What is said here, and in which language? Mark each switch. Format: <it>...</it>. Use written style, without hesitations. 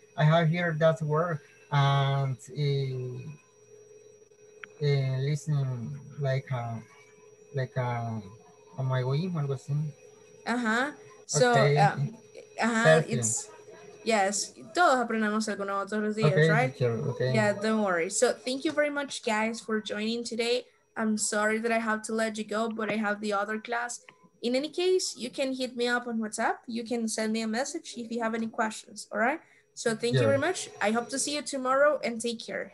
<en>I have heard that word and listening like a my way, algo así. Uh-huh. So it's</en> <es>yes, todos aprendemos algo nuevo todos los días,</es> <en>okay, right? Okay. Yeah, don't worry. So thank you very much, guys, for joining today. I'm sorry that I have to let you go, but I have the other class. In any case, you can hit me up on WhatsApp. You can send me a message if you have any questions, all right? So thank you very much. I hope to see you tomorrow and take care.</en>